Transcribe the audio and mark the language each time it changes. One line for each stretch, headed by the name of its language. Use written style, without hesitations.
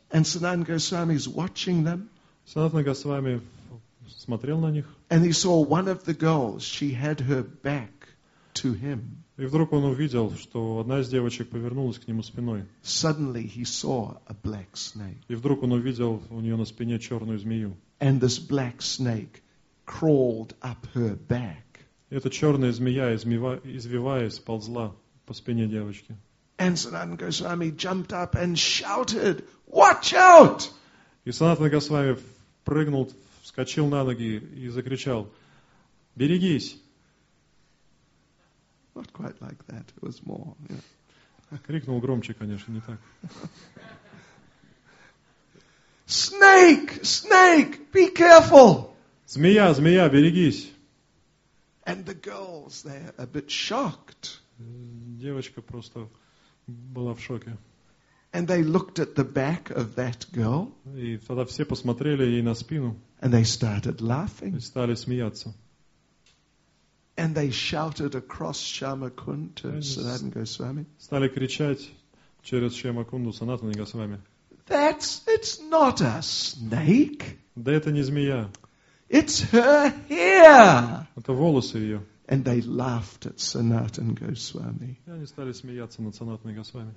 English: And Sanatan Goswami is watching them.
Russian: Санатана Госвами смотрел на них.
English: And he saw one of the girls, she had her back to him.
Russian: И вдруг он увидел, что одна из девочек повернулась к нему спиной.
English: Suddenly he saw a black snake.
Russian: И вдруг он увидел у нее на спине черную змею.
English: And this black snake crawled up her back.
Russian: Эта черная змея, извиваясь, ползла по спине девочки.
English: And Sanatana Goswami jumped up and shouted, "Watch out!"
Russian: И Санатана Госвами прыгнул, вскочил на ноги и закричал, "Берегись!"
English: Not quite like that. It was more. Yeah.
Russian: Крикнул громче, конечно, не так.
English: Snake, snake, be careful!
Russian: Змея, змея, берегись!
English: And the girls, they're a bit shocked.
Russian: Девочка просто была в шоке.
English: And they looked at the back of that girl.
Russian: И тогда все посмотрели ей на спину.
English: And they started laughing.
Russian: И стали смеяться.
English: And they shouted across Shamakund to Sanatana Goswami.
Russian: Стали кричать через Шамакунду Санатана Госвами.
English: It's not a snake.
Russian: Да это не змея.
English: It's her hair.
Russian: Это волосы ее.
English: And they laughed at Sanatan Goswami.
Russian: И они стали смеяться над Санатаной Госвами.